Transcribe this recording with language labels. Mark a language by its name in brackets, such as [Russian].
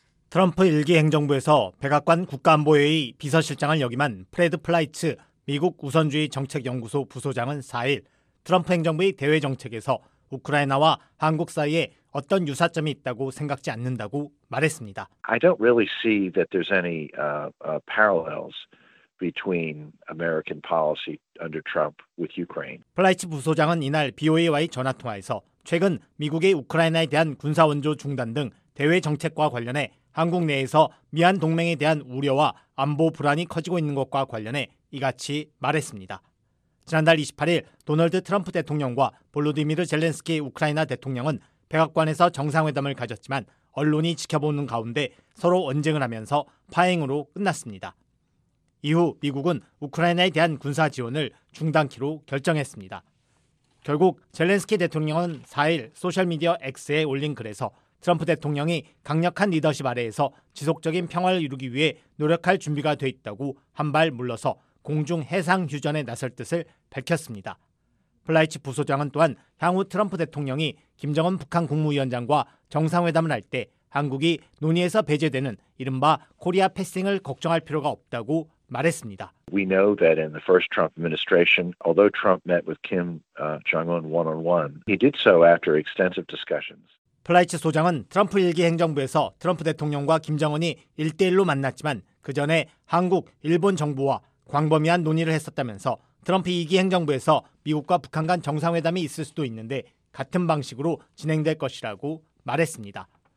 [Korean] 트럼프 1기 행정부에서 백악관 국가안보회의 비서실장을 역임한 프레드 플라이츠 미국 우선주의 정책연구소 부소장은 4일 트럼프 행정부의 대외정책에서 우크라이나와 한국 사이에 어떤 유사점이 있다고 생각지 않는다고 말했습니다. [English] I don't really see that there's any parallels between American policy under Trump with Ukraine. [Korean] 플라이츠 부소장은 이날 BOA와의 전화통화에서 최근 미국의 우크라이나에 대한 군사원조 중단 등 대외정책과 관련해 한국 내에서 미한 동맹에 대한 우려와 안보 불안이 커지고 있는 것과 관련해 이같이 말했습니다. 지난달 28일 도널드 트럼프 대통령과 볼로디미르 젤렌스키 우크라이나 대통령은 백악관에서 정상회담을 가졌지만 언론이 지켜보는 가운데 서로 언쟁을 하면서 파행으로 끝났습니다. 이후 미국은 우크라이나에 대한 군사 지원을 중단키로 결정했습니다. 결국 젤렌스키 대통령은 4일 소셜미디어 X에 올린 글에서 트럼프 대통령이 강력한 리더십 아래에서 지속적인 평화를 이루기 위해 노력할 준비가 돼 있다고 한 발 물러서 공중 해상 휴전에 나설 뜻을 밝혔습니다. 플라이츠 부소장은 또한 향후 트럼프 대통령이 김정은 북한 국무위원장과 정상회담을 할 때 한국이 논의에서 배제되는 이른바 코리아 패싱을 걱정할 필요가 없다고 말했습니다. [English] We know that in the first Trump administration, although Trump met with Kim Jong-un one-on-one, he did so after extensive discussions. [Korean] 플라이츠 소장은 트럼프 1기 행정부에서 트럼프 대통령과 김정은이 1대1로 만났지만 그 전에 한국, 일본 정부와 광범위한 논의를 했었다면서 트럼프 2기 행정부에서 미국과 북한 간 정상회담이 있을 수도 있는데 같은 방식으로 진행될 것이라고 말했습니다.